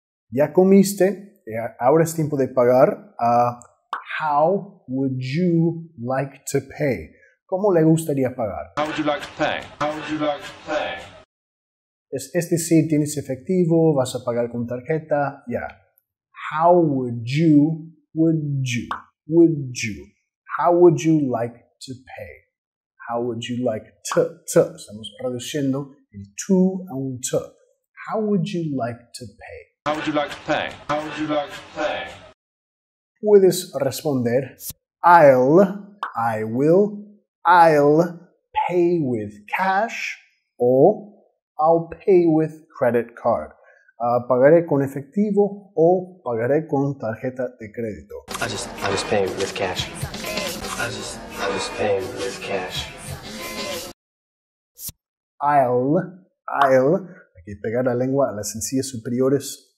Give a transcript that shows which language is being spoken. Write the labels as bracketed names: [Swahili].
[Spanish] Ya comiste, ahora es tiempo de pagar. [English] How would you like to pay? [Spanish] ¿Cómo le gustaría pagar? [English] How would you like to pay? How would you like to pay? [Spanish] Es decir, tienes efectivo, vas a pagar con tarjeta, ya. [English] Yeah. How would you, how would you like to pay? How would you like to, [Spanish] estamos reduciendo el to a un to. [English] How would you like to pay? How would you like to pay? How would you like to pay? [Spanish] Puedes responder, [English] I'll pay with cash or I'll pay with credit card. [Spanish] Pagaré con efectivo o pagaré con tarjeta de crédito. [English] I just pay with cash. I just pay with cash. [Spanish] I'll y pegar la lengua a las encías superiores.